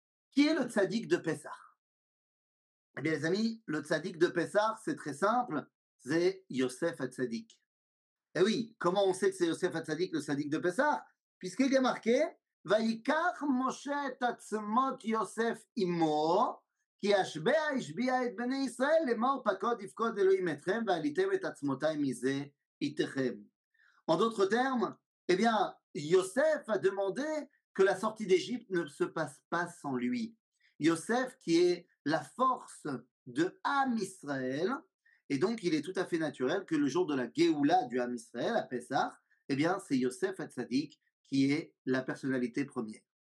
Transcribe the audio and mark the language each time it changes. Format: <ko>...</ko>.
<fr>Qui est le tzadik de Pessah? Eh bien, les amis, le tzadik de Pessah, c'est très simple, c'est Yosef HaTzadik. Eh oui, comment on sait que c'est Yosef HaTzadik, le tzadik de Pessah? Puisqu'il est marqué, «</fr> <he>Vayikach Moshe et Atzmot Yosef Imo, כי השבעה השביע את בני ישראל, למור פקוד יפקוד אלוהים אתכם, ועליתם את עצמותיי מזה איתכם.</he> <fr>En d'autres termes, eh bien, Yosef a demandé que la sortie d'Égypte ne se passe pas sans lui. Yosef, qui est la force de Am Israël, et donc il est tout à fait naturel que le jour de la Géoula du Am Israël, à Pessah, eh bien, c'est Yosef HaTzadik qui est la personnalité première.</fr>